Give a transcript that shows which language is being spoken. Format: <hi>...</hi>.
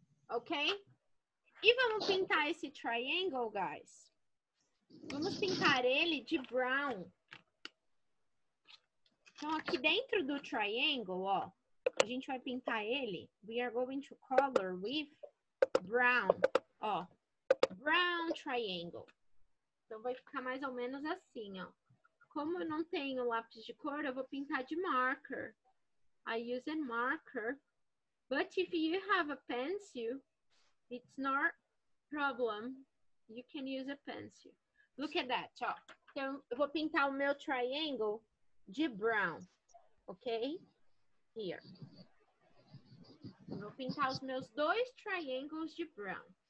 <pt>Ok? E vamos pintar esse triangle, guys. Vamos pintar ele de brown. Então, aqui dentro do triangle, ó, a gente vai pintar ele.</pt> <en>We are going to color with brown, ó. Brown triangle.</en> <pt>Então, vai ficar mais ou menos assim, ó. Como eu não tenho lápis de cor, eu vou pintar de marker.</pt> <en>I use a marker. But if you have a pencil, it's not a problem. You can use a pencil. Look at that, ó.</en> <pt>Então, eu vou pintar o meu triangle de brown, ok?</pt> <en>Here.</en> <pt>Vou pintar os meus dois triangles de brown.</pt>